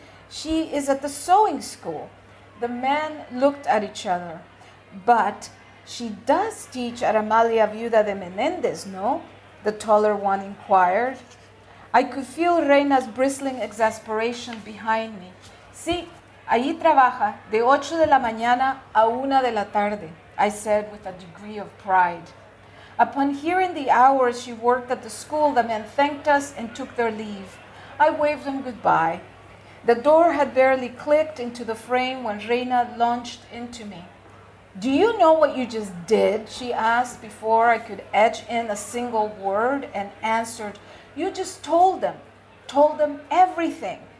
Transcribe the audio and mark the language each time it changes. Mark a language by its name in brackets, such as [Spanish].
[English] She is at the sewing school. The men looked at each other. But she does teach at Amalia Viuda de Menendez, no? The taller one inquired. I could feel Reina's bristling exasperation behind me. [Spanish] Sí, allí trabaja de 8 de la mañana a 1 de la tarde, [English] I said with a degree of pride. Upon hearing the hours she worked at the school, the men thanked us and took their leave. I waved them goodbye. The door had barely clicked into the frame when Reina launched into me. Do you know what you just did? She asked before I could edge in a single word and answered, you just told them everything.